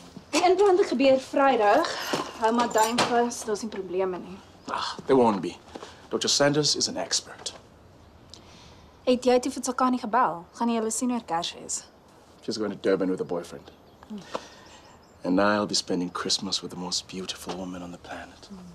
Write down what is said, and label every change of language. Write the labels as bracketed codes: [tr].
[af] Die inplanting gebeur vrijdag. Hou maar duim vast, daar is nie probleme nie. [en] Ach, there won't be. Dr. Sanders is an expert. [af] Het jy toe vir Tsakani gebel? Gaan jy hulle sien oor Kersfees? [en] She's going to Durban with a boyfriend. And I'll be spending Christmas with the most beautiful woman on the planet.